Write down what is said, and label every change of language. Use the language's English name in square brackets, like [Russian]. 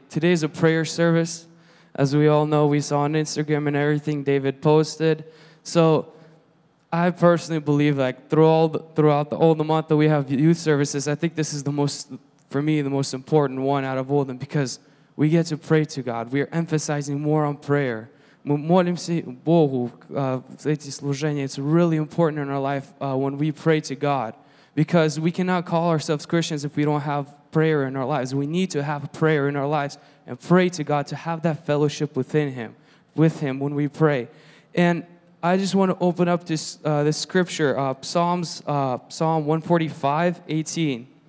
[English] Today is a prayer service. As we all know, we saw on Instagram and everything David posted. So I personally believe, like, throughout the month that we have youth services, I think this is the most, for me, the most important one out of all of them, because we get to pray to God. We are emphasizing more on prayer. [Russian] Мы молимся Богу за эти служения. [English] It's really important in our life when we pray to God, because we cannot call ourselves Christians if we don't have prayer in our lives. We need to have prayer in our lives and pray to God to have that fellowship within Him, with Him when we pray. And I just want to open up this this scripture, Psalm 145:18.